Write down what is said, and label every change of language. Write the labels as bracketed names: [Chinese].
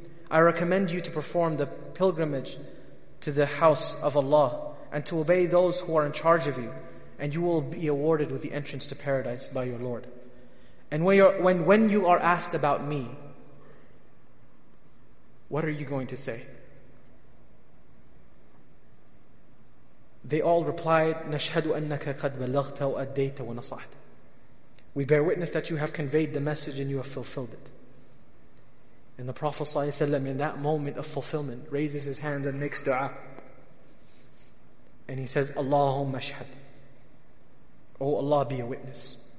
[English] I recommend you to perform the pilgrimage to the house of Allah, and to obey those who are in charge of you, and you will be awarded with the entrance to paradise by your Lord. And when you are asked about me, what are you going to say? They all replied, [Arabic] نَشْهَدُ أَنَّكَ قَدْ بَلَغْتَ وَأَدَّيْتَ وَنَصَحْتَ. [English] We bear witness that you have conveyed the message and you have fulfilled it. And the Prophet ﷺ, in that moment of fulfillment, raises his hands and makes dua. And he says, [Arabic] Allahumma ashhad. [English] O Allah, be a witness.